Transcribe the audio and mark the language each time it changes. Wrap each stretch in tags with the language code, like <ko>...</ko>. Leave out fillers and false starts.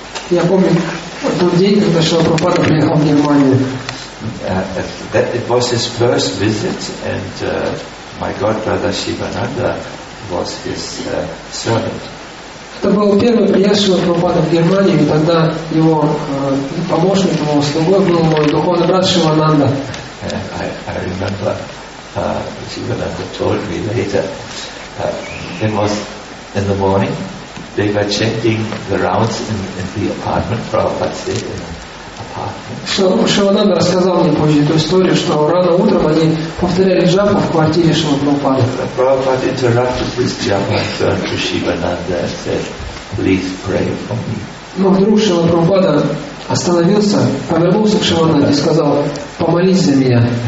<ru>Я помню тот день, когда Шрила Прабхупада приехал в Германию.</ru> <en>That it was his first visit, and my godbrother Sivananda was his servant.</en> <ru>Это был первый приезжий Прабхупада в Германию, и тогда его помощник, его слугой был мой духовный брат Шивананда.</ru> <en>I remember, Shivananda told me later, it was in the morning, they were changing the rounds in the apartment, Prabhupada said, in the apartment.</en> <ru>Шивананда рассказал мне позже эту историю, что рано утром они повторяли джапу в квартире Шива Прабхупады.</ru> <en>Prabhupada interrupted this japa, turned to Shivananda and said, please pray for me.</en> <ru>Но вдруг Шива Прабхупада остановился, повернулся к Шивананде и сказал, помолись за меня.</ru>